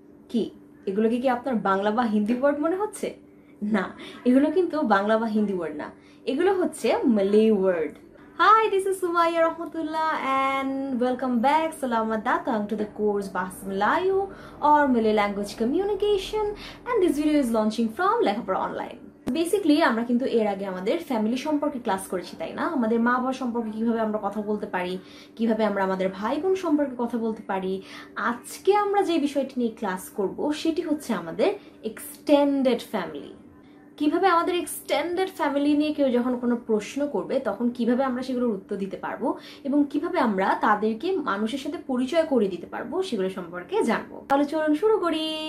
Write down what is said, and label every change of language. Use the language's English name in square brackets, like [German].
[Bangla] কি এগুলোকে কি আপনার বাংলা বা হিন্দি ওয়ার্ড মনে হচ্ছে? না, এগুলো কিন্তু বাংলা বা হিন্দি ওয়ার্ড না, এগুলো হচ্ছে মালে word. [English] Hi, this is Sumaiya Rahmatullah and welcome back. [Malay] Salamat datang [English] to the course Bahasa Melayu or Malay Language Communication. And this video is launching from Lekhapura Online. [Bangla] Basically আমরা কিন্তু এর আগে আমাদের ফ্যামিলি সম্পর্কে ক্লাস করেছি, তাই না? আমাদের মা বাবা সম্পর্কে কিভাবে আমরা কথা বলতে পারি, কিভাবে আমরা আমাদের ভাই বোন সম্পর্কে কথা বলতে পারি। আজকে আমরা যে বিষয়টি নিয়ে ক্লাস করব সেটি হচ্ছে আমাদের এক্সটেন্ডেড ফ্যামিলি। কিভাবে আমাদের এক্সটেন্ডেড ফ্যামিলি নিয়ে কেউ যখন কোনো প্রশ্ন করবে তখন কিভাবে আমরা সেগুলোর উত্তর দিতে পারবো এবং কিভাবে আমরা তাদেরকে মানুষের সাথে পরিচয় করে দিতে পারবো সেগুলো সম্পর্কে জানবো। তাহলে চলুন শুরু করি।